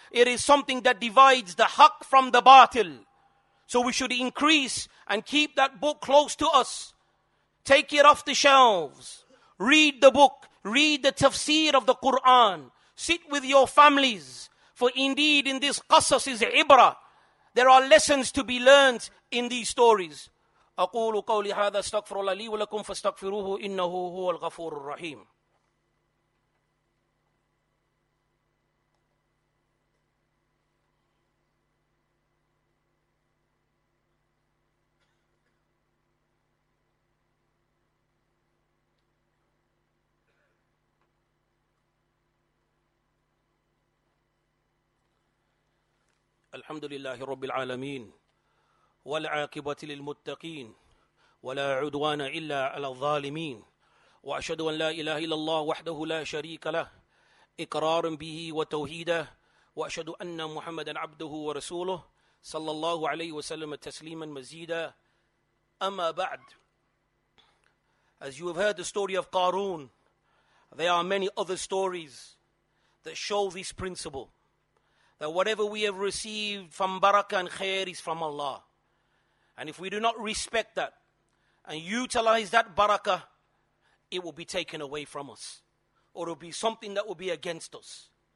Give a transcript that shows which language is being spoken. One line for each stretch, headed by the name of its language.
English: It is something that divides the haq from the batil. So we should increase and keep that book close to us. Take it off the shelves. Read the book. Read the tafsir of the Quran. Sit with your families. For indeed, in this qasas is ibrah. There are lessons to be learned in these stories.
Arabic: أقول قولي هذا استغفر الله لي ولكم فاستغفروه إنه هو الغفور الرحيم. الحمد لله رب العالمين والعاقبة للمتقين ولا عدوان إلا على الظالمين وأشهد أن لا إله إلا الله وحده لا شريك له إقرار به وتوحيده وأشهد أن محمدا عبده ورسوله صلى الله عليه وسلم تسليما مزيدا أما بعد.
English: As you have heard the story of Qarun, there are many other stories that show this principle, that whatever we have received from barakah and khair is from Allah. And if we do not respect that and utilize that barakah, it will be taken away from us, or it will be something that will be against us.